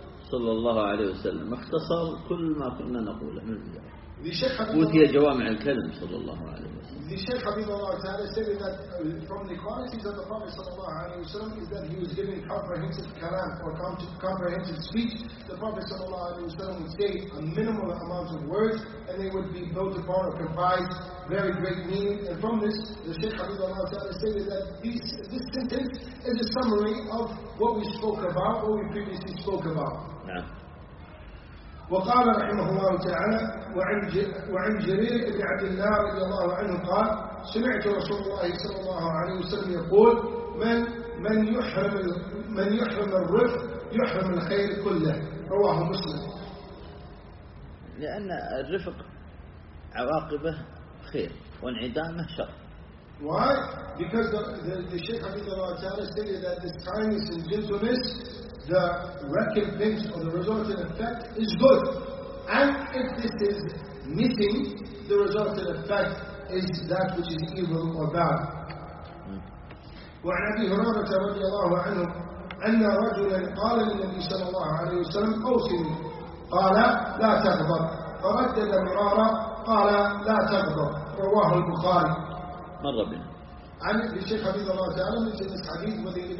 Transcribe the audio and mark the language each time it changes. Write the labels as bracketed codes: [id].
[ar] صلى الله عليه وسلم اختصر كل ما كنا نقوله من ذلك. لشيخ حبيب الله جوامع الكلم صلى الله عليه وسلم. [en] لشيخ حبيب الله تعالى said that from the qualities of the Prophet صلى الله عليه وسلم is that he was giving comprehensive kalam or comprehensive speech. The Prophet صلى الله عليه وسلم would say a minimal amount of words and they would be built upon or comprised very great meaning. And from this, the Shaykh Habib Allah Ta'ala stated that this sentence is a summary of what we spoke about, what we previously spoke about. [ar] وقال رحمه الله تعالى وعن جرير بن عبد الله رضي الله عنه قال سمعت رسول الله صلى الله عليه وسلم يقول من يحرم الرفق يحرم الخير كله رواه مسلم. لأن الرفق عواقبه خير وانعدامه شر. [en] Why? Because the Shaykh Abdullah Ta'ala stated that this kindness and gentleness, the recompense or the resultant effect is good. And if this is missing, the resultant effect is that which is evil or bad. [ar] وعن أبي هريرة رضي الله عنه أن رجلا قال للنبي صلى الله عليه وسلم أوصني قال لا تغضب فرد المرارة قال لا تغضب رواه البخاري. مر بنا. عن الشيخ حبيب الله تعالى من حديث الذي